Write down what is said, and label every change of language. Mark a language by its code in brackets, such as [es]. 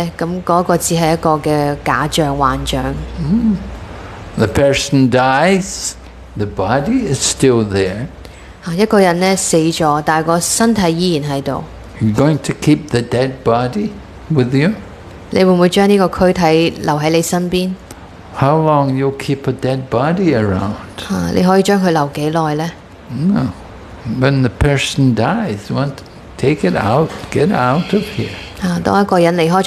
[yue] 如果我哋連接嘅咧係呢一個軀體嘅話咧，咁嗰個只係一個嘅假象幻象。 [en] The person dies, the body is still there. [yue] 一個人咧死咗，但係個身體依然喺度。 [en] You're going to keep the dead body with you? [yue] 你會唔會將呢個軀體留喺你身邊？ [en] How long you'll keep a dead body around? [yue] 你可以將佢留幾耐咧？ [en] No. When the person dies, want to take it out, get out of here.